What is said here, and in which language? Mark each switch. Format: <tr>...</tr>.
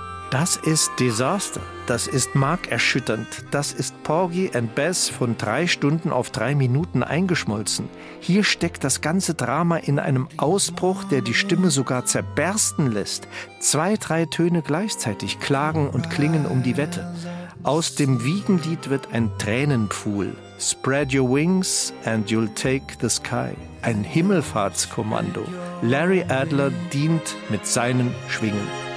<de>Das ist Desaster, das ist markerschütternd, das ist Porgy and Bess von 3 Stunden auf 3 Minuten eingeschmolzen. Hier steckt das ganze Drama in einem Ausbruch, der die Stimme sogar zerbersten lässt. 2, 3 Töne gleichzeitig klagen und klingen um die Wette. Aus dem Wiegenlied wird ein Tränenpfuhl.</de> <en>Spread your wings and you'll take the sky.</en> <de>Ein Himmelfahrtskommando. Larry Adler dient mit seinen Schwingen.</de>